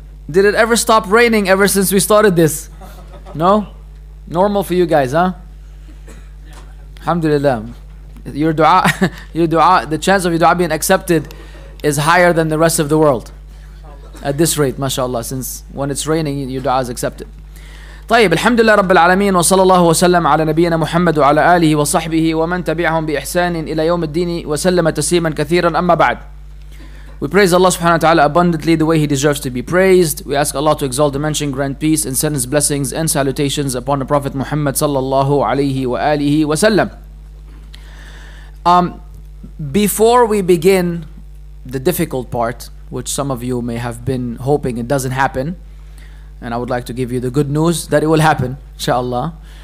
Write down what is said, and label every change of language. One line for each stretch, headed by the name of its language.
English: Did it ever stop raining ever since we started this? No? Normal for you guys, huh? Alhamdulillah. Your dua, the chance of your dua being accepted is higher than the rest of the world. At this rate, mashallah, since when it's raining, your dua is accepted.
Arabic: طيب الحمد لله رب العالمين وصلى الله وسلم على نبينا محمد وعلى آله وصحبه ومن تبعهم بإحسان إلى يوم الدين وسلم تسليما كثيرا أما بعد.
English: We praise Allah subhanahu wa ta'ala abundantly the way He deserves to be praised. We ask Allah to exalt, dimension, grant peace and send His blessings and salutations upon the Prophet Muhammad sallallahu alayhi wa alihi wa sallam. Before we begin the difficult part, which some of you may have been hoping it doesn't happen, and I would like to give you the good news that it will happen, inshallah.